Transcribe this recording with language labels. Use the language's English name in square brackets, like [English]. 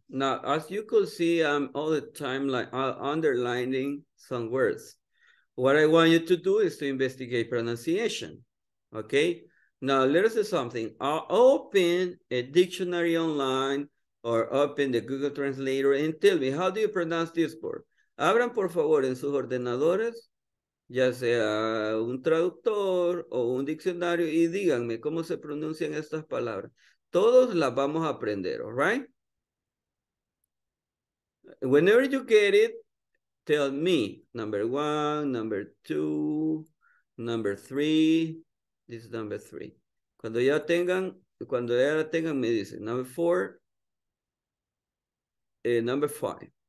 [English] Now, as you could see, I'm all the time like underlining some words. What I want you to do is to investigate pronunciation, okay? Now, let us do something. I'll open a dictionary online or open the Google Translator and tell me, how do you pronounce this word? [Spanish] Abran, por favor, en sus ordenadores, ya sea un traductor o un diccionario, y díganme cómo se pronuncian estas palabras. Todos las vamos a aprender, [English] all right? Whenever you get it, tell me, number one, number two, number three, this is number three. [Spanish] Cuando ya tengan, me dicen, [English] number four, number five.